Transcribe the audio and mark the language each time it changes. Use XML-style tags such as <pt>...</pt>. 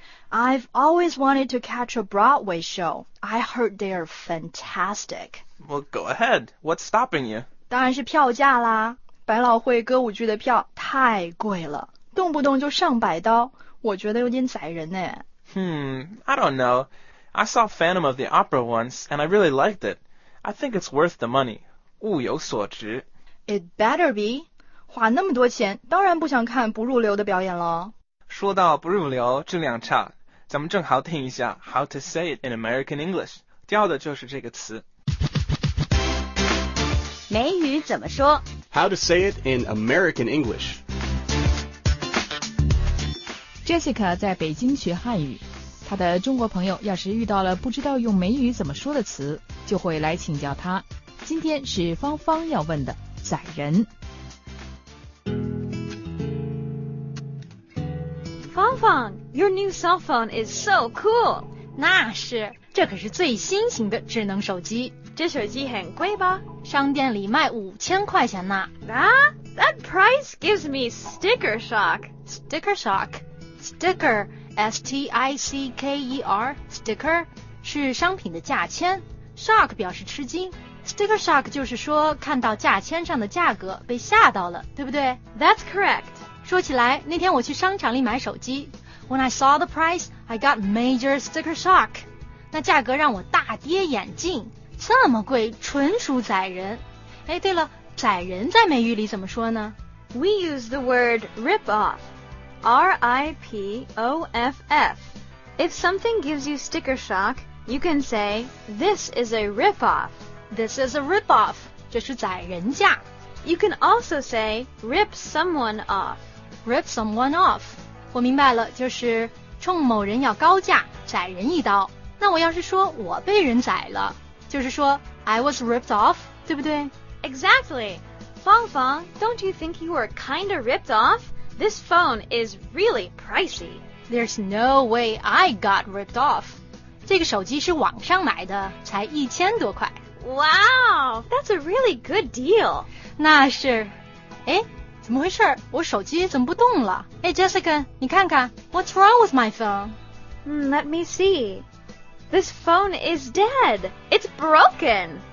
<en>I've always wanted to catch a Broadway show. I heard they are fantastic. Well, go ahead. What's stopping you?</en> <zh>当然是票价啦。百老汇歌舞剧的票太贵了，动不动就上百刀，我觉得有点宰人呢。</zh> <en>I don't know. I saw Phantom of the Opera once, and I really liked it. I think it's worth the money.</en> <zh>物有所值。</zh> <en>It better be.</en> <zh>花那么多钱，当然不想看不入流的表演了。说到不入流，质量差，咱们正好听一下 How to say it in American English，调的就是这个词。美语怎么说</zh> <en>？How to say it in American English？</en> <zh>Jessica 在北京学汉语，她的中国朋友要是遇到了不知道用美语怎么说的词，就会来请教她。今天是芳芳要问的，宰人。</zh> <en>芳芳 ，Your new cell phone is so cool.</en> <zh>那是，这可是最新型的智能手机。这手机很贵吧？商店里卖5000块钱呢。</zh> <en>That price gives me sticker shock. Sticker shock. Sticker, S-T-I-C-K-E-R.</en> <zh>Sticker 是商品的价签。 Shock 表示吃惊。 Sticker shock 就是说看到价签上的价格被吓到了，对不对</zh> <en>？That's correct. 说起来，那天我去商场里买手机，When I saw the price, I got major sticker shock.</en> <zh>那价格让我大跌眼镜，这么贵，纯属宰人。哎，对了，宰人在美语里怎么说呢</zh> <en>？We use the word rip off, R-I-P-O-F-F. If something gives you sticker shock, you can say this is a rip off. This is a rip off. 这是宰人价。 You can also say rip someone off. Rip someone off.</en> <zh>我明白了，就是冲某人要高价，宰人一刀。那我要是说我被人宰了，就是说 I was ripped off, 对不对</zh> <en>？Exactly. Fang Fang, don't you think you were kinda ripped off? This phone is really pricey. There's no way I got ripped off.</en> <zh>这个手机是网上买的，才1000多块。</zh> <en>Wow, that's a really good deal.</en> <zh>那是。哎，怎么回事？我手机怎么不动了？</zh> <en>哎，Jessica，你看看，What's wrong with my phone? Let me see. This phone is dead. It's broken.</en>